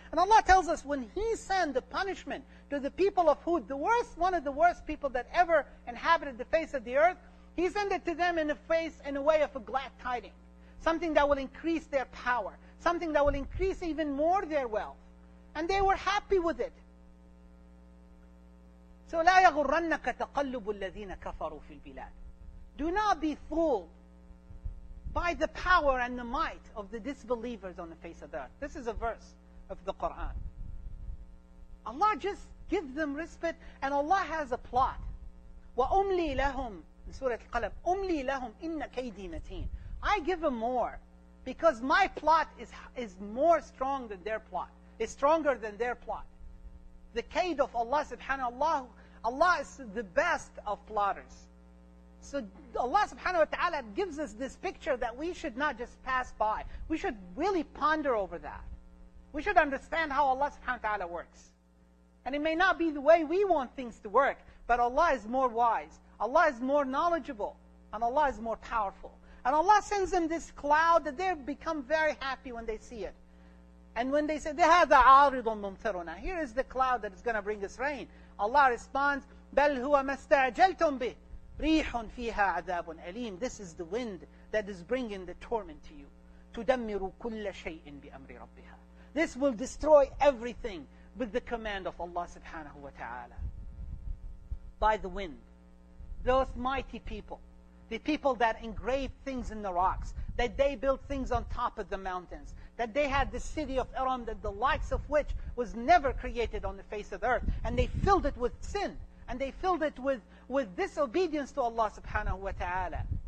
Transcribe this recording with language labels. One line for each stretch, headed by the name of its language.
English: And Allah tells us when He sent the punishment to the people of Hud, one of the worst people that ever inhabited the face of the earth, He sent it to them in a way of a glad tiding, something that will increase their power, something that will increase even more their wealth. And they were happy with it. So
Arabic: لا يغرنك تقلب الذين كفروا في البلاد.
English: Do not be fooled by the power and the might of the disbelievers on the face of the earth. This is a verse of the Quran. Allah just gives them respite, and Allah has a plot.
Arabic: وأملي لهم in Surah Al-Qalam, أملي لهم إن كيدي متين.
English: I give them more because my plot is more strong than their plot. It's stronger than their plot. The kaid of Allah subhanahu wa ta'ala, Allah is the best of plotters. So Allah subhanahu wa ta'ala gives us this picture that we should not just pass by. We should really ponder over that. We should understand how Allah subhanahu wa ta'ala works. And it may not be the way we want things to work, but Allah is more wise. Allah is more knowledgeable. And Allah is more powerful. And Allah sends them this cloud that they become very happy when they see it. And when they say, they have the
Arabic: عَارِضٌ مُمْتَرُنَا,
English: here is the cloud that is going to bring us rain. Allah responds,
Arabic: بَلْ هُوَ مَسْتَعْجَلْتُمْ بِهِ رِيحٌ فِيهَا عَذَابٌ أَلِيمٌ.
English: This is the wind that is bringing the torment to you.
Arabic: تُدَمِّرُ كُلَّ شَيْءٍ بِأَمْرِ رَبِّهَا.
English: This will destroy everything with the command of Allah subhanahu wa ta'ala. By the wind, those mighty people, the people that engraved things in the rocks, that they built things on top of the mountains, that they had the city of Iram, that the likes of which was never created on the face of the earth, and they filled it with sin, and they filled it with disobedience to Allah subhanahu wa ta'ala.